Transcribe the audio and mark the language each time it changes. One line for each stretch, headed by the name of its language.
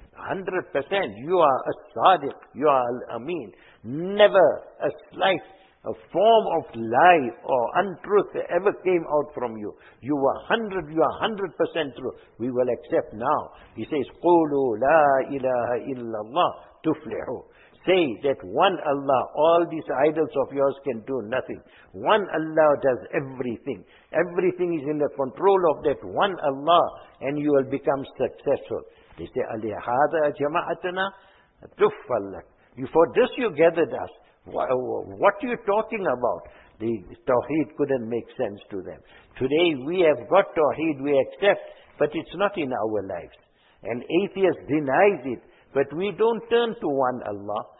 English: 100%, you are a sadiq, you are al-ameen. Never a slight a form of lie or untruth ever came out from you. You are 100% true. We will accept now. He says,
Arabic: قُولُوا لَا إِلَهَ إِلَّا اللَّهِ تُفْلِحُوا.
English: Say that one Allah, all these idols of yours can do nothing. One Allah does everything. Everything is in the control of that one Allah, and you will become successful. They say,
Arabic: أَلِهَذَا جَمَعَتَنَا تُفَّلَّكَ.
English: Before this you gathered us. What are you talking about? The Tawheed couldn't make sense to them. Today we have got Tawheed, we accept, but it's not in our lives. An atheist denies it, but we don't turn to one Allah.